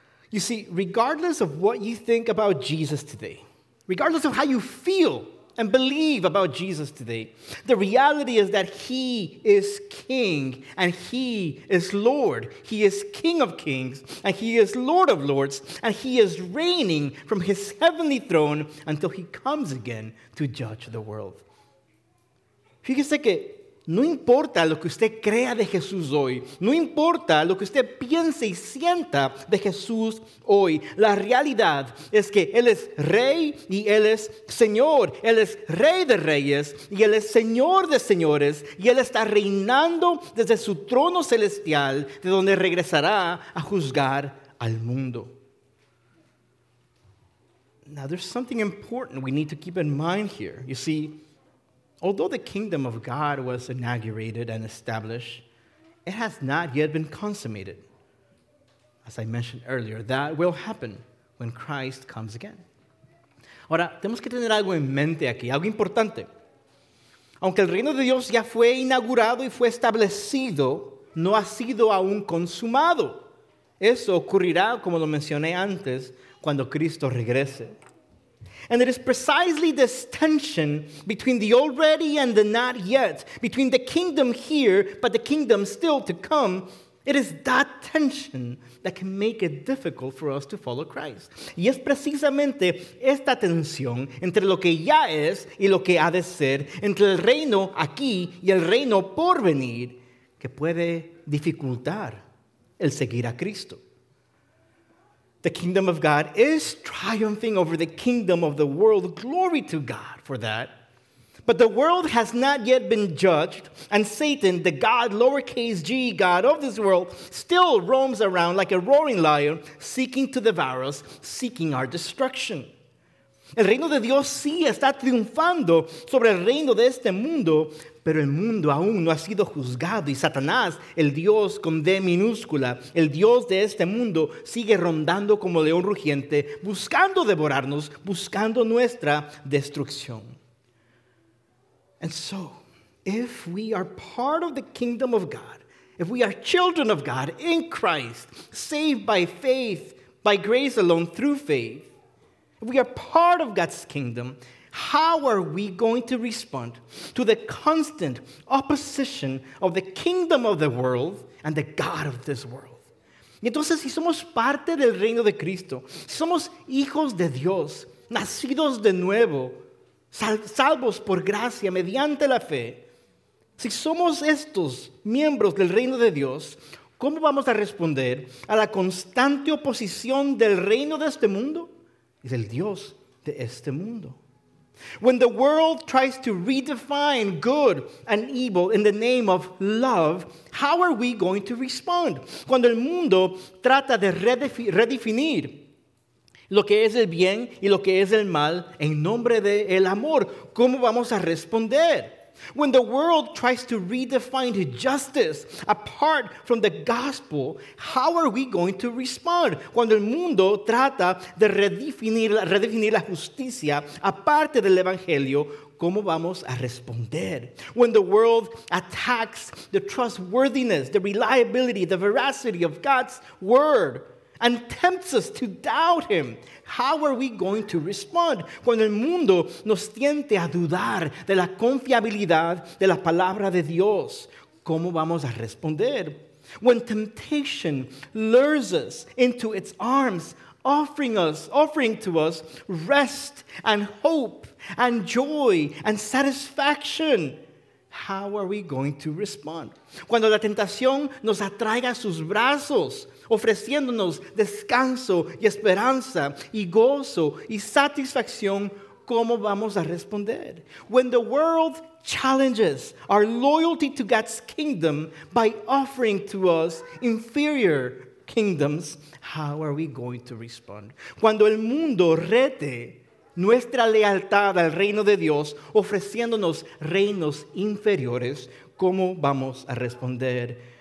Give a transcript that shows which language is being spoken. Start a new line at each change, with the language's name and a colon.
English: You see, regardless of what you think about Jesus today, regardless of how you feel and believe about Jesus today, the reality is that he is King and he is Lord. He is King of Kings and he is Lord of Lords, and he is reigning from his heavenly throne until he comes again to judge the world.
Spanish: Fíjese que no importa lo que usted crea de Jesús hoy, no importa lo que usted piense y sienta de Jesús hoy, la realidad es que Él es Rey y Él es Señor. Él es Rey de Reyes y Él es Señor de Señores, y Él está reinando desde su trono celestial, de donde regresará a juzgar al mundo.
English: Now, there's something important we need to keep in mind here. You see, although the kingdom of God was inaugurated and established, it has not yet been consummated. As I mentioned earlier, that will happen when Christ comes again.
Spanish: Ahora, tenemos que tener algo en mente aquí, algo importante. Aunque el reino de Dios ya fue inaugurado y fue establecido, no ha sido aún consumado. Eso ocurrirá, como lo mencioné antes, cuando Cristo regrese.
English: And it is precisely this tension between the already and the not yet, between the kingdom here but the kingdom still to come, it is that tension that can make it difficult for us to follow Christ.
Spanish: Y es precisamente esta tensión entre lo que ya es y lo que ha de ser, entre el reino aquí y el reino por venir, que puede dificultar el seguir a Cristo.
English: The kingdom of God is triumphing over the kingdom of the world. Glory to God for that. But the world has not yet been judged, and Satan, the God, lowercase g, God of this world, still roams around like a roaring lion, seeking to devour us, seeking our destruction.
Spanish: El reino de Dios sí está triunfando sobre el reino de este mundo, pero el mundo aún no ha sido juzgado, y Satanás, el Dios con D minúscula, el Dios de este mundo, sigue rondando como león rugiente, buscando devorarnos, buscando nuestra destrucción.
English: And so, if we are part of the kingdom of God, if we are children of God in Christ, saved by faith, by grace alone, through faith, if we are part of God's kingdom, how are we going to respond to the constant opposition of the kingdom of the world and the God of this world?
Spanish: Y entonces, si somos parte del reino de Cristo, somos hijos de Dios, nacidos de nuevo, salvos por gracia mediante la fe, Si somos estos miembros del reino de Dios, ¿cómo vamos a responder a la constante oposición del reino de este mundo y del Dios de este mundo?
English: When the world tries to redefine good and evil in the name of love, how are we going to respond?
Spanish: Cuando el mundo trata de redefinir lo que es el bien y lo que es el mal en nombre del amor, ¿cómo vamos a responder?
English: When the world tries to redefine justice apart from the gospel, how are we going to respond?
Spanish: Cuando el mundo trata de redefinir la justicia aparte del evangelio, ¿cómo vamos a responder?
English: When the world attacks the trustworthiness, the reliability, the veracity of God's word, and tempts us to doubt him, how are we going to respond?
Spanish: Cuando el mundo nos tiente a dudar de la confiabilidad de la palabra de Dios, ¿cómo vamos a responder?
English: When temptation lures us into its arms, offering to us rest and hope and joy and satisfaction, how are we going to respond?
Spanish: Cuando la tentación nos atraiga a sus brazos, ofreciéndonos descanso y esperanza y gozo y satisfacción, ¿cómo vamos a responder?
English: When the world challenges our loyalty to God's kingdom by offering to us inferior kingdoms, how are we going to respond?
Spanish: Cuando el mundo rete nuestra lealtad al reino de Dios, ofreciéndonos reinos inferiores, ¿cómo vamos a responder?